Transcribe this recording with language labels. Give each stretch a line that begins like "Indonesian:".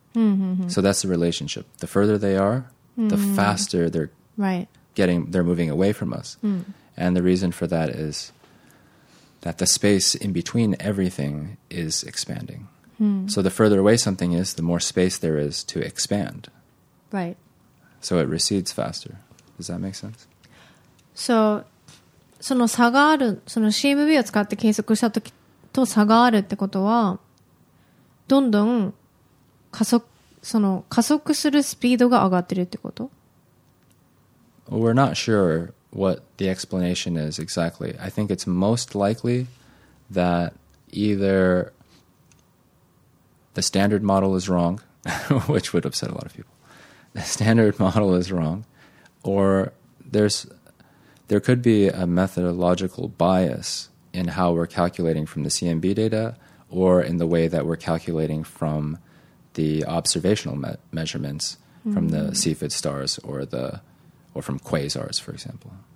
English: So that's the relationship. The further they are, the faster they're getting, they're moving away from us. And the reason for that is that the space in between everything is expanding. So the further away something is, the more space there is to expand. Right. So it recedes faster. Does that make sense?
Japanese: So, その差がある、その CMB を使って計測したときと差があるってことは、どんどん加速、その加速するスピードが上がってるってこと？
English: Well, we're not sure what the explanation is exactly. I think it's most likely that either the standard model is wrong, which would upset a lot of people. The standard model is wrong, or there could be a methodological bias in how we're calculating from the CMB data or in the way that we're calculating from the observational measurements from the Cepheid stars or from quasars, for example.